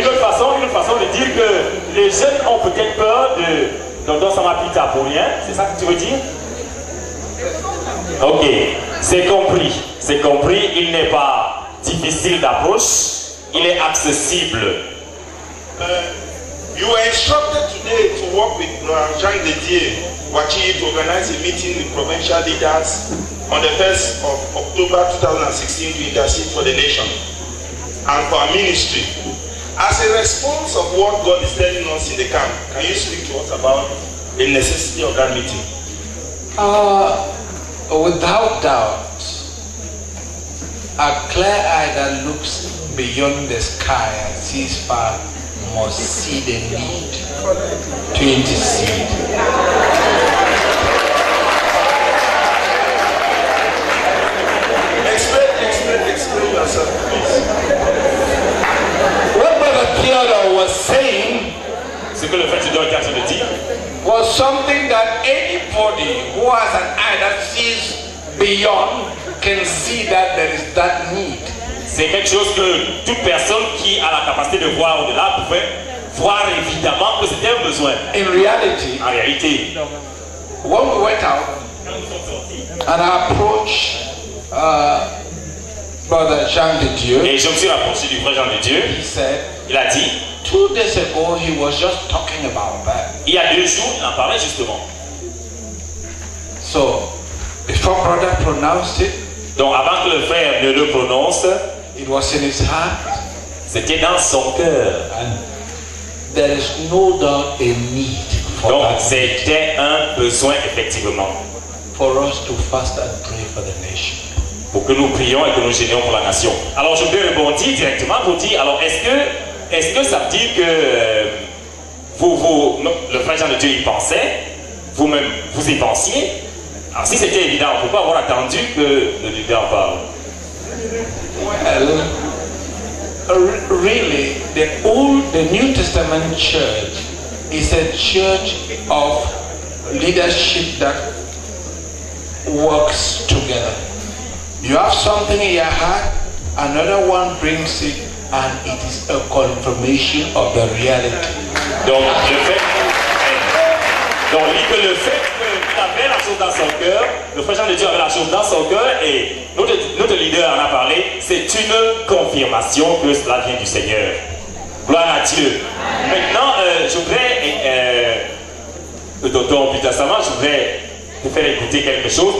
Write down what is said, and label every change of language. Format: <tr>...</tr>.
<fr>Une autre façon de dire que les jeunes ont peut-être peur de Dondon Samapita pour rien, c'est ça que tu veux dire? Ok, c'est compris, il n'est pas difficile d'approche, il est accessible.</fr> <en>You were instructed today to work with Jean Dédier Wachi to organize a meeting with provincial leaders on the 1st of October 2016 to intercede for the nation and for our ministry. As a response of what God is telling us in the camp, can you speak to us about the necessity of that meeting? Without doubt, a clear eye that looks beyond the sky and sees far must see the need to intercede. Explain yourself, please. What Brother Theodore was saying,</en> <fr>ce que le frère Theodore vient de dire,</fr> <en>was something that anybody who has an eye that sees beyond can see that there is that need.</en> <fr>C'est quelque chose que toute personne qui a la capacité de voir au-delà pouvait voir évidemment que c'était un besoin.</fr> <en>In reality,</en> <fr>en réalité,</fr> <en>when we went out and I approached Brother Jean de Dieu,</en> <fr>et je me suis rapproché du frère Jean de Dieu,</fr> <en>he said,</en> <fr>il a dit,</fr> <en>2 days ago he was just talking about that.</en> <fr>Il y a 2 jours, il en parlait justement.</fr> <en>So, before brother pronounced it,</en> <fr>donc avant que le frère ne le prononce,</fr> <en>it was in his heart,</en> <fr>c'était dans son cœur.</fr> <en>There is no doubt a need for</en> <fr>donc</fr> <en>that.</en> <fr>C'était un besoin effectivement.</fr> <en>For us to fast and pray for the nation.</en> <fr>Pour que nous prions et que nous gênions pour la nation. Alors je vais rebondir directement pour dire, alors est-ce que ça veut dire que vous, le frère Jean de Dieu y pensait, vous-même vous y pensiez? Alors si c'était évident, pourquoi avoir attendu que le leader parle?</fr> <en>Well, really, the New Testament church is a church of leadership that works together. You have something in your heart, another one brings it, and it is a confirmation of the reality.</en> <fr>Donc le fait qu'il avait la chose dans son cœur, le frère Jean de Dieu avait la chose dans son cœur, et notre leader en a parlé, c'est une confirmation que cela vient du Seigneur. Gloire à Dieu. Maintenant, je voudrais, docteur Peter Sama, je voudrais vous faire écouter quelque chose.</fr>